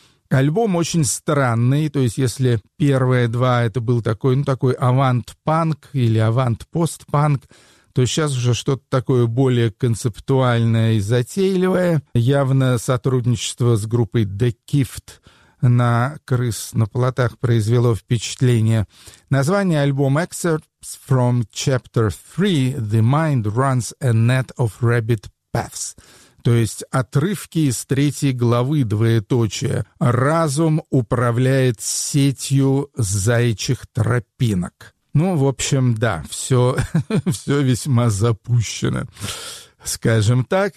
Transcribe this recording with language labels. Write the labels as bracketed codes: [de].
[ru] Альбом очень странный, то есть если первые два — это был такой, ну, такой авант-панк или авант-пост-панк, то сейчас уже что-то такое более концептуальное и затейливое. Явно сотрудничество с группой The Kift на «Крыс на плотах» произвело впечатление. Название альбома — [en] «Excerpts from Chapter 3. The Mind Runs a Net of Rabbit Paths». [ru] То есть отрывки из третьей главы, двоеточие. «Разум управляет сетью заячьих тропинок». Ну, в общем, да, все весьма запущено, скажем так.